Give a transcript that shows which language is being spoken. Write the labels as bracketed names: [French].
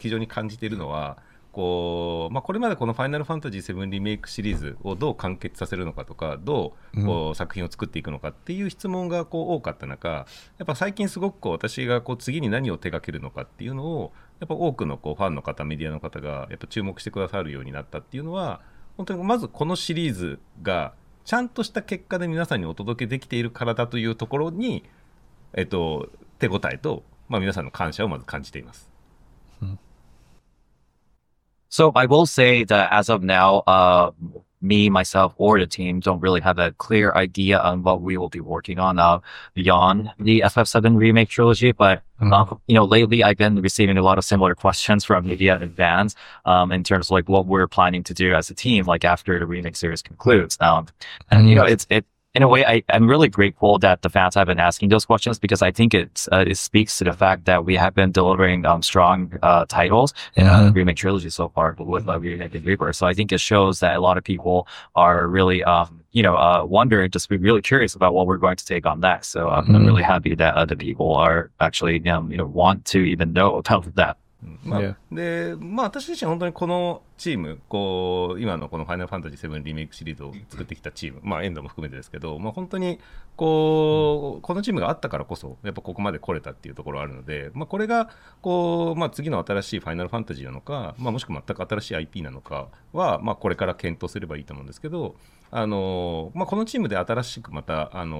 [Japanese] これまでこのファイナルファンタジー7リメイクシリーズをどう完結させるのかとか、どう作品を作っていくのかっていう質問が多かった中、やっぱ最近すごく私が次に何を手掛けるのかっていうのを、やっぱ多くのファンの方、メディアの方がやっぱ注目してくださるようになったっていうのは、本当にまずこのシリーズがちゃんとした結果で皆さんにお届けできているからだというところに、手応えと、皆さんの感謝をまず感じています。 [English] So I will say that as of now, me, myself, or the team don't really have a clear idea on what we will be working on beyond the FF7 Remake Trilogy. But, lately I've been receiving a lot of similar questions from media and fans in terms of what we're planning to do as a team, after the Remake series concludes. In a way, I'm really grateful that the fans have been asking those questions, because I think it speaks to the fact that we have been delivering strong titles in the Remake Trilogy so far with Remake and Reaper. So I think it shows that a lot of people are really, wondering, just be really curious about what we're going to take on next. So I'm really happy that other people are actually, want to even know about that. まあ、yeah. [Japanese] で、まあ私自身本当にこのチーム、こう、今のこのファイナルファンタジー7リメイクシリーズを作ってきたチーム、まあエンドも含めてですけど、まあ本当に、こう、このチームがあったからこそ、やっぱここまで来れたっていうところあるので、まあこれが、こう、まあ次の新しいファイナルファンタジーなのか、まあもしくは全く新しい IP なのかは、まあこれから検討すればいいと思うんですけど、まあこのチームで新しくまた、